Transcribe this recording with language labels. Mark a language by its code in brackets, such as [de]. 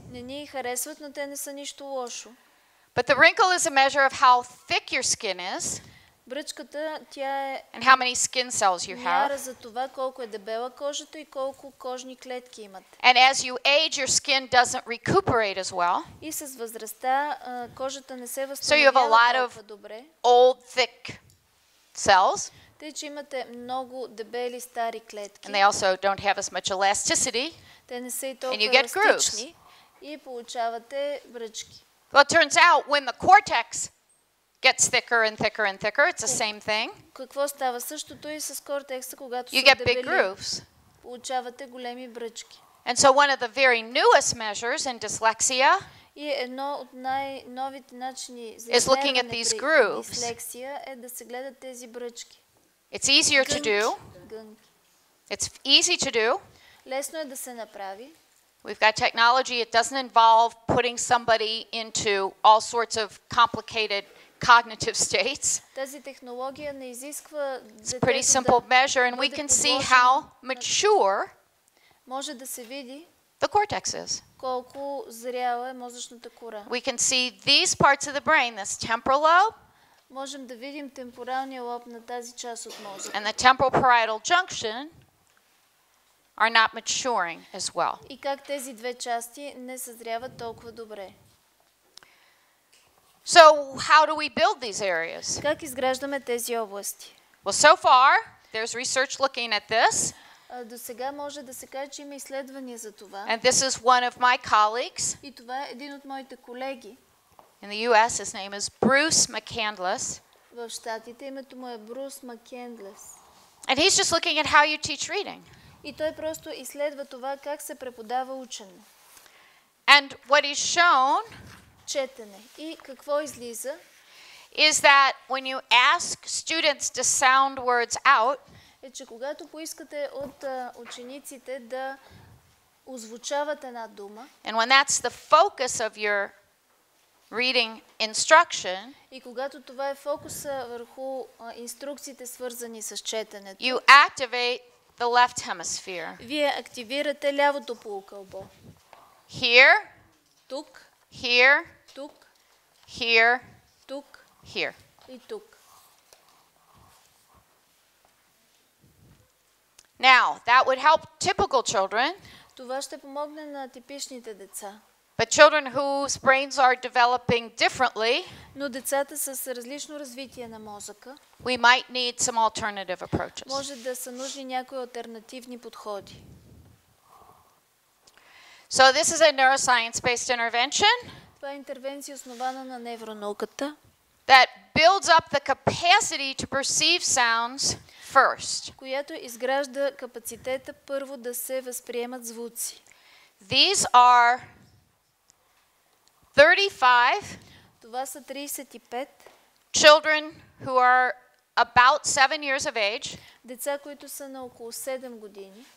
[bg] Не ни харесват, но те не са нищо лошо. [en] But the wrinkle is a measure of how thick your skin is. [bg] Бръчката, тя е, [en] and how many skin cells you have. [bg] Мяра за това колко е дебела кожата и колко кожни клетки имате. [en] And as you age, your skin doesn't recuperate as well. [bg] И с възрастта кожата не се възстановява. [en] So you have a lot of old thick cells. [bg] Тъй че имате много дебели стари клетки. [en] And they also don't have as much elasticity. [bg] Те не са и толкова [en] and you get grooves. [bg] И получавате бръчки. [en] Well, it turns out when the cortex gets thicker and thicker and thicker, it's the same thing. [bg] Какво става същото и с кортекса, когато [en] you get big grooves. [bg] Получавате големи бръчки. [en] And so one of the very newest measures in dyslexia [bg] и едно от най-новите начини за [en] is looking at these grooves. [bg] Дислексия е да се гледат тези бръчки. [en] It's easier to do. [bg] Гънки. [en] It's easy to do. [bg] Лесно е да се направи. [en] We've got technology. It doesn't involve putting somebody into all sorts of complicated cognitive states. [bg] Тази технология не изисква [en] It's a pretty simple measure, and we can see how mature [bg] може да се види [en] the cortex is. [bg] Колко зряла е мозъчната кора. [en] We can see these parts of the brain, this temporal lobe. [bg] Можем да видим темпоралния лоб на тази част от мозъка. [en] And the temporal parietal junction are not maturing as well. [bg] И как тези две части не съзряват толкова добре. [en] So how do we build these areas? [bg] Как изграждаме тези области? [en] Well, so far there's research looking at this. [bg] До сега може да се каже, че има изследвания за това. [en] And this is one of my colleagues. [bg] И това е един от моите колеги. [en] In the US his name is Bruce McCandless. [bg] В Щатите името му е Брус Маккендлес. [en] And he's just looking at how you teach reading. [bg] И той просто изследва това как се преподава учене. [en] And what is shown [bg] четене. И какво излиза? [en] Is that when you ask students to sound words out, [bg] е че когато поискате от учениците да озвучават една дума, [en] and when that's the focus of your reading instruction, [bg] и когато това е фокуса върху инструкциите свързани с четенето, [en] you activate the left hemisphere. [bg] Вие активирате лявото полукълбо. [en] Here. [bg] Тук. [en] Here. [bg] Тук. [en] Here. [bg] Тук. [en] Here. [bg] И тук. [en] Now, that would help typical children. [bg] Това ще помогне на типичните деца. [en] But children whose brains are developing differently, [bg] но децата с различно развитие на мозъка, [en] we might need some alternative approaches. [bg] Може да са нужни някои алтернативни подходи. [en] So this is a neuroscience-based intervention. [bg] Това е интервенция, основана на невронауката. [en] That builds up the capacity to perceive sounds first. [bg] Която изгражда капацитета първо да се възприемат звуци. [en] These are 35. [bg] Това са 35 [en] children who are about 7 years of age. [bg] Деца, които са на около 7 години.